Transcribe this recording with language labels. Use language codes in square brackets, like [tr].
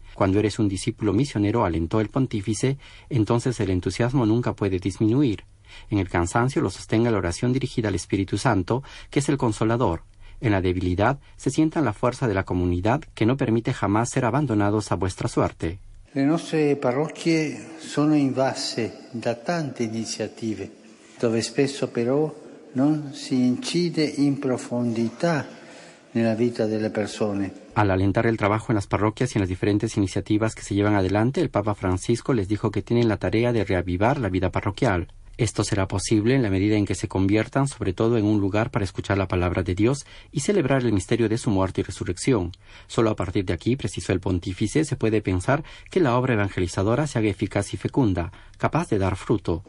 [es] Cuando eres un discípulo misionero, alentó el pontífice, entonces el entusiasmo nunca puede disminuir. En el cansancio lo sostenga la oración dirigida al Espíritu Santo, que es el Consolador. En la debilidad se sienta la fuerza de la comunidad, que no permite jamás ser abandonados a vuestra suerte. [it] Le nostre parrocchie sono invase da tante iniziative, dove spesso però non si incide in profondità nella vita delle persone. [es] Al alentar el trabajo en las parroquias y en las diferentes iniciativas que se llevan adelante, el Papa Francisco les dijo que tienen la tarea de reavivar la vida parroquial. Esto será posible en la medida en que se conviertan, sobre todo, en un lugar para escuchar la palabra de Dios y celebrar el misterio de su muerte y resurrección. Solo a partir de aquí, precisó el pontífice, se puede pensar que la obra evangelizadora se haga eficaz y fecunda, capaz de dar fruto.